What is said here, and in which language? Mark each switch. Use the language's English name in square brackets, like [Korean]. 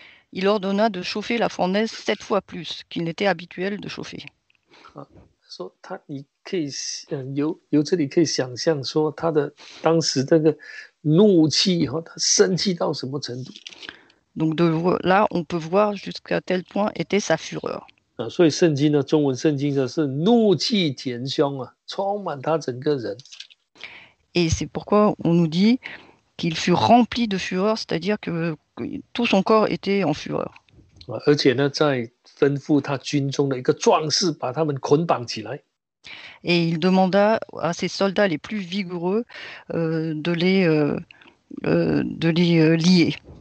[French] Il ordonna de chauffer la fournaise 7 fois plus qu'il n'était habituel de chauffer. [Chinese] 说他，你可以由这里可以想象说他的当时这个怒气哈，他生气到什么程度？ [French] Donc de là, on peut voir jusqu'à quel point était sa fureur. [Chinese] 所以圣经呢，中文圣经呢是怒气填胸啊，充满他整个人。 [French] Et c'est pourquoi on nous dit qu'il fut rempli de fureur, c'est-à-dire que tout son corps était en fureur. [Chinese] 而且呢，在吩咐他军中的一个壮士把他们捆绑起来。 [French] Et il demanda à ses soldats les plus vigoureux de les lier.